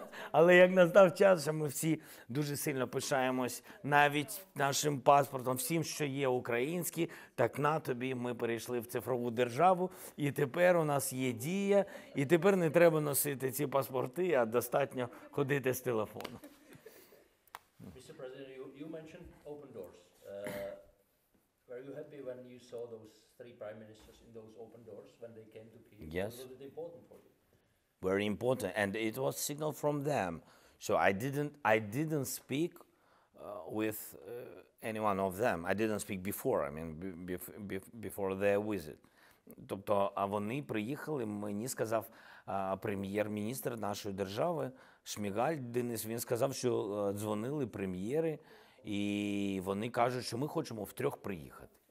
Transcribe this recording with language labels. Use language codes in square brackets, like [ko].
[uk] Але як настав час, що ми всі дуже сильно пишаємось навіть нашим паспортом, всім, що є українське, так на тобі, ми перейшли в цифрову державу, і тепер у нас є Дія, і тепер не треба носити ці паспорти, а достатньо ходити з телефону. [en] Mr. President, you mentioned open doors. Were you happy when you saw those three prime ministers in those open doors when they came to Kyiv? Yes. Was it important for you? Very important, and it was signal from them. So I didn't speak with any one of them. I didn't speak before. I mean, before their visit. [uk] Тобто, а вони приїхали, мені сказав прем'єр-міністр нашої держави Шмигаль Денис. Він сказав, що дзвонили прем'єри, і вони кажуть, що ми хочемо втрьох приїхати.